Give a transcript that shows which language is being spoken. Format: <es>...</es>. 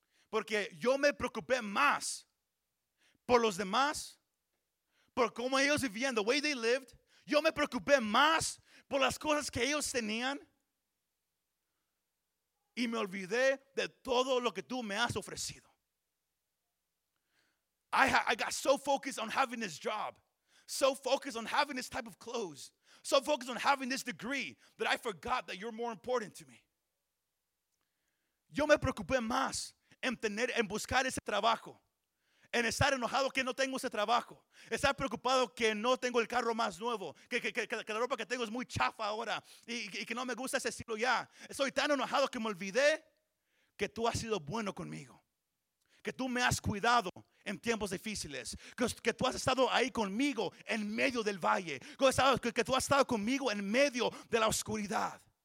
<es>Porque yo me preocupé más por los demás, por cómo ellos vivían,</es> <en>the way they lived.</en> <es>Yo me preocupé más por las cosas que ellos tenían. Y me olvidé de todo lo que tú me has ofrecido.</es> <en>I got so focused on having this job, so focused on having this type of clothes, so focused on having this degree that I forgot that you're more important to me.</en> <es>Yo me preocupé más en buscar ese trabajo, en estar enojado que no tengo ese trabajo, estar preocupado que no tengo el carro más nuevo, que la ropa que tengo es muy chafa ahora y que no me gusta ese estilo ya. Estoy tan enojado que me olvidé que tú has sido bueno conmigo, que tú me has cuidado en tiempos difíciles, que tú has estado ahí conmigo en medio del valle, que tú has estado conmigo en medio de la oscuridad.</es>